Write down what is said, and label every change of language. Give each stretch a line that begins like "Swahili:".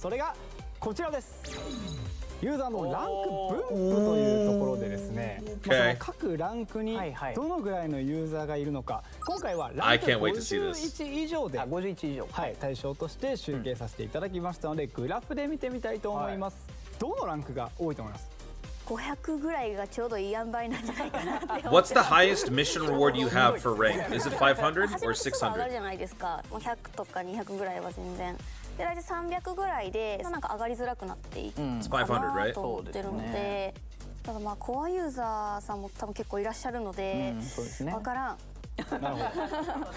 Japanese: それがこちらです。ユーザーのランク分布というところでですね、まあ、各ランクにどのぐらいのユーザーがいるのか、今回はランク51以上で、はい、対象として集計させていただきましたので、グラフで見てみたいと思います。どのランクが多いと思います？ 500ぐらいがちょうどいい塩梅なんじゃないかなって思ってます。
English: What's the highest mission reward you have for rank? Is it 500 or 600?
Japanese: 上がるじゃないですか。100とか200ぐらいは全然で、大体300ぐらいでなんか上がりづらくなっていくかなと思ってるので、ただまあコアユーザーさんも多分結構いらっしゃるので、分からん。なるほど。